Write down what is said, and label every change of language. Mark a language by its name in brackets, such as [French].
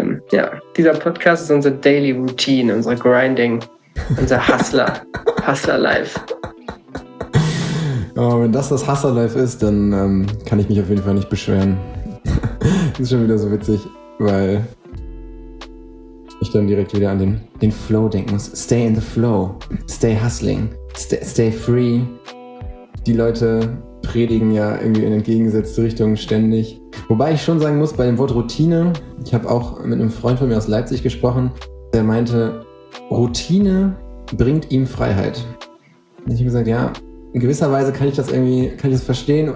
[German] Ja, dieser Podcast ist unsere Daily Routine, unsere Grinding, unser Hustler, Hustler-Life. Oh, wenn das Hustler-Life ist, dann kann ich mich auf jeden Fall nicht beschweren. Ist schon wieder so witzig, weil ich dann direkt wieder an den Flow denken muss. [English] Stay in the flow, stay hustling, stay free. [German] Die Leute predigen ja irgendwie in entgegengesetzte Richtungen ständig. Wobei ich schon sagen muss, bei dem Wort Routine, ich habe auch mit einem Freund von mir aus Leipzig gesprochen, der meinte, Routine bringt ihm Freiheit. Und ich habe gesagt, ja, in gewisser Weise kann ich das verstehen.